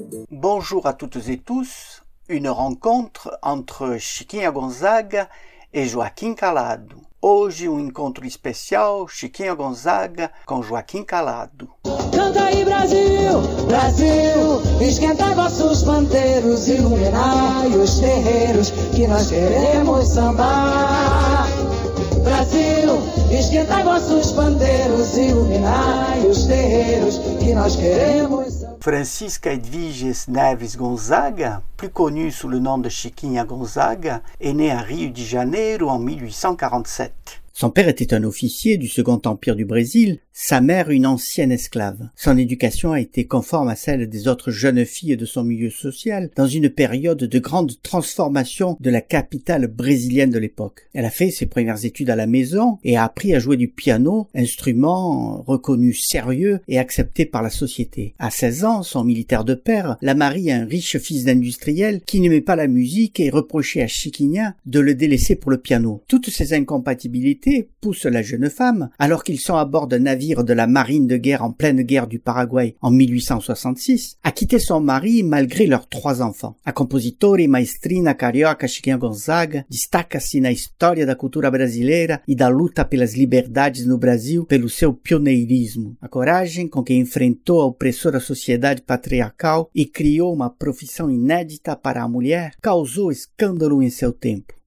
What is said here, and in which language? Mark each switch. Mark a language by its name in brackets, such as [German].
[French] Bonjour à toutes et tous, une rencontre entre Chiquinha Gonzaga et Joaquim Calado. [Portuguese] Hoje, um encontro especial, Chiquinha Gonzaga com Joaquim Calado. Canta aí, Brasil, Brasil, esquenta vossos panteiros, iluminai os terreiros que nós queremos sambar. Brasil, esquenta vossos panteiros, iluminai os terreiros que nós queremos. [French] Francisca Edviges Neves Gonzaga, plus connue sous le nom de Chiquinha Gonzaga, est née à Rio de Janeiro en 1847. Son père était un officier du Second Empire du Brésil, sa mère une ancienne esclave. Son éducation a été conforme à celle des autres jeunes filles de son milieu social dans une période de grande transformation de la capitale brésilienne de l'époque. Elle a fait ses premières études à la maison et a appris à jouer du piano, instrument reconnu sérieux et accepté par la société. À 16 ans, son militaire de père la marie à un riche fils d'industriel qui n'aimait pas la musique et reprochait à Chiquinha de le délaisser pour le piano. Toutes ces incompatibilités pousse la jeune femme, alors qu'ils sont à bord d'un navire de la marine de guerre en pleine guerre du Paraguay en 1866, à quitter son mari malgré leurs trois enfants. [Portuguese] A compositori, maestrina, carioca, Chiquinha Gonzaga, destaca-se na história da cultura brasileira e da luta pelas liberdades no Brasil pelo seu pioneirismo. A coragem com que enfrentou a opressora sociedade patriarcal e criou uma profissão inédita para a mulher causou escândalo em seu tempo.